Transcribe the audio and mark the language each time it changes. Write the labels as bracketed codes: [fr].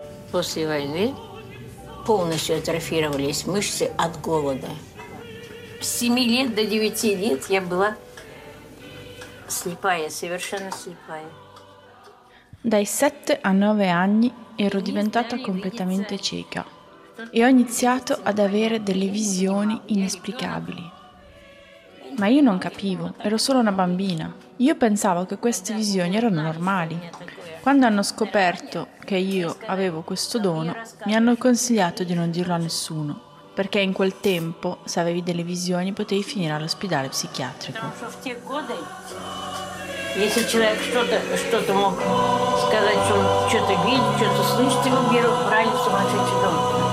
[ru] После войны полностью атрофировались мышцы от голода. С 7 лет до 9 лет я была сліпая, совершенно сліпая. [it] Dai 7 a 9 anni ero diventata completamente cieca e ho iniziato ad avere delle visioni inesplicabili. Ma io non capivo, ero solo una bambina. Io pensavo che queste visioni erano normali. Quando hanno scoperto che io avevo questo dono, mi hanno consigliato di non dirlo a nessuno, perché in quel tempo, se avevi delle visioni, potevi finire all'ospedale psichiatrico. [ru] Если человек что-то мог сказать, что он что-то видит, что-то слышит, его берут правильно в сумасшедший дом.